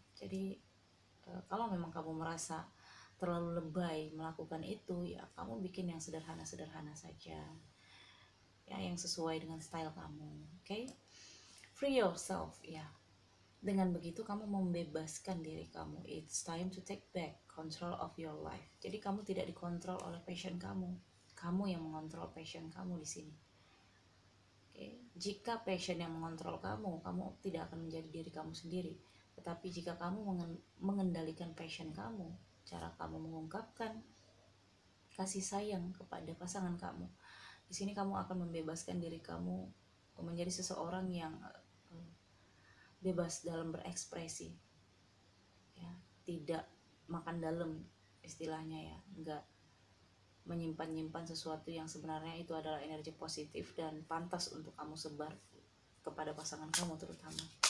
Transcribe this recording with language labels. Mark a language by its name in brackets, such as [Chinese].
[Indonesian] Jadi kalau memang kamu merasa terlalu lebay melakukan itu, ya kamu bikin yang sederhana-sederhana saja ya, yang sesuai dengan style kamu. Oke, [English] free yourself [Indonesian] ya. Dengan begitu kamu membebaskan diri kamu. [English] It's time to take back control of your life. [Indonesian] Jadi kamu tidak dikontrol oleh passion kamu. Kamu yang mengontrol passion kamu di sini. Oke, jika passion yang mengontrol kamu, kamu tidak akan menjadi diri kamu sendiri. Tetapi jika kamu mengendalikan passion kamu, cara kamu mengungkapkan kasih sayang kepada pasangan kamu, di sini kamu akan membebaskan diri kamu menjadi seseorang yang bebas dalam berekspresi, ya, tidak makan dalam istilahnya ya, enggak menyimpan-nyimpan sesuatu yang sebenarnya itu adalah energi positif dan pantas untuk kamu sebar kepada pasangan kamu terutama.